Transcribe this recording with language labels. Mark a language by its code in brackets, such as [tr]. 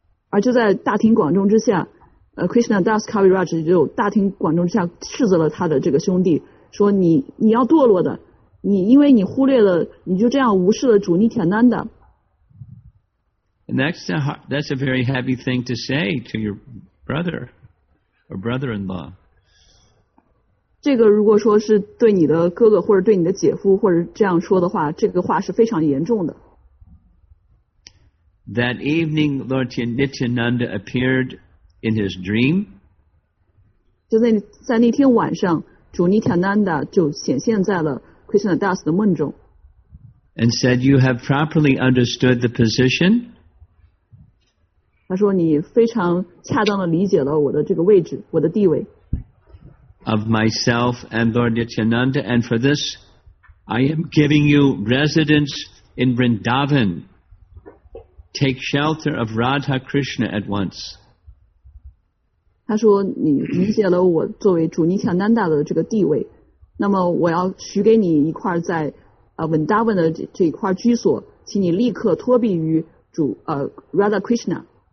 [zh] 而就在大庭广众之下、Krishna Das Kaviraj 就大庭广众之下斥责了他的这个兄弟说你要堕落的你因为你忽略了你就这样无视了主尼坦丹的 [en] And that's a very heavy thing to say to your brother or brother-in-law [zh] 这个如果说是对你的哥哥或者对你的姐夫或者这样说的话这个话是非常严重的 [en] That evening Lord Nityananda appeared in his dream [zh] 就在那天晚上主尼坦丹达就显现在了 Krishna Das 的梦中 [en] and said you have properly understood the position [zh] 他说你非常恰当地理解了我的这个位置我的地位 [en] of myself and Lord Nityananda, and for this I am giving you residence in Vrindavan. Take shelter of Radha Krishna at once. [zh] 他说你理解了我作为主尼强丹达的这个地位，那么我要许给你一块在文达文的 这一块居所，请你立刻托庇于主Radha Krishna。